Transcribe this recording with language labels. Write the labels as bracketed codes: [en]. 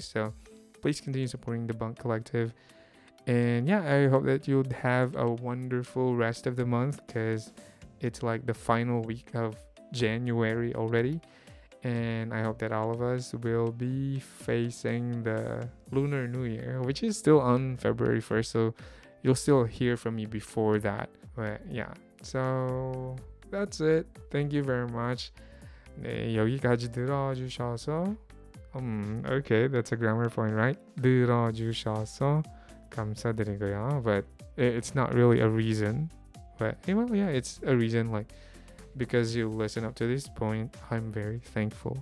[en] So please continue supporting the Bunk Collective. And yeah, I hope that you'll have a wonderful rest of the month, because it's like the final week of January already. And I hope that all of us will be facing the Lunar New Year, which is still on February 1st. So you'll still hear from me before that. But yeah, so that's it. Thank you very much. [ko] 네, 여기까지 들어주셔서. [en] Okay, that's a grammar point, right? [ko] 들어주셔서 감사드리고요. [en] But it's not really a reason. But well, yeah, it's a reason, like, because you listen up to this point, I'm very thankful.